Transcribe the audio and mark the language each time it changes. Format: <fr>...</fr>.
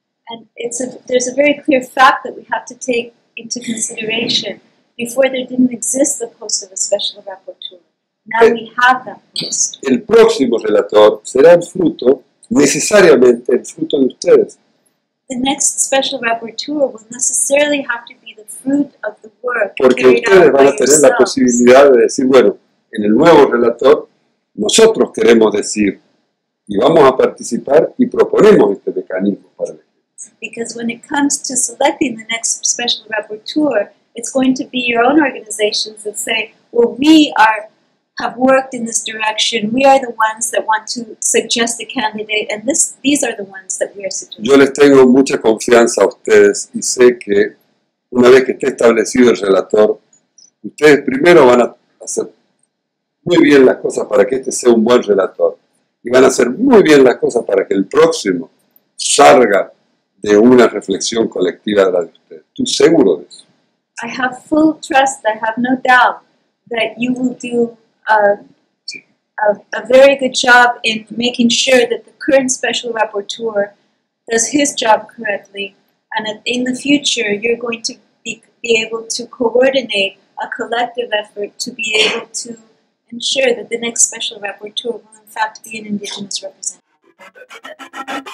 <en>And there's a very clear fact that we have to take into consideration. Before there didn't exist the post of a special rapporteur. Now we have that list.</en> <es>El próximo relator será el fruto, necesariamente el fruto de ustedes.</es> <en>The next special rapporteur will necessarily have to be the fruit of the work.</en> <es>Porque ustedes van a tener la posibilidad de decir, bueno, en el nuevo relator nosotros queremos decir y vamos a participar y proponemos este mecanismo para el.</es> <en>Because when it comes to selecting the next special rapporteur, it's going to be your own organizations that say, well, we are have worked in this direction. We are the ones that want to suggest a candidate, and these are the ones that we are suggesting.</en> <es>Yo les tengo mucha confianza a ustedes y sé que una vez que esté establecido el relator, ustedes primero van a hacer muy bien las cosas para que este sea un buen relator y van a hacer muy bien las cosas para que el próximo salga de una reflexión colectiva de la de ustedes. Estoy seguro de eso.</es> <en>I have full trust, I have no doubt that you will do a very good job in making sure that the current special rapporteur does his job correctly, and that in the future you're going to be able to coordinate a collective effort to be able to ensure that the next special rapporteur will in fact be an Indigenous representative.</en>